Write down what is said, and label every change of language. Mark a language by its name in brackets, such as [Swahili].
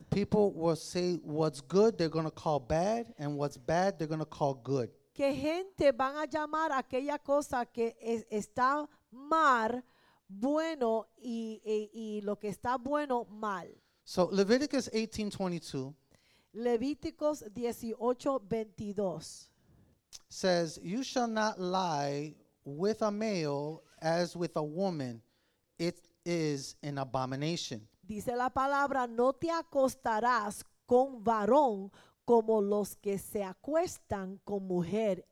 [English] people will say what's good they're going to call bad, and what's bad they're going to call good. [Spanish] Que gente van a llamar aquella cosa que está mal, bueno, y lo que está bueno, mal. [English] So Leviticus 18:22. [Spanish] Levíticos 18:22 [English] says, you shall not lie with a male as with a woman. It is an abomination. [Spanish] Dice la palabra, no te acostarás con varón como los que se acuestan con mujer.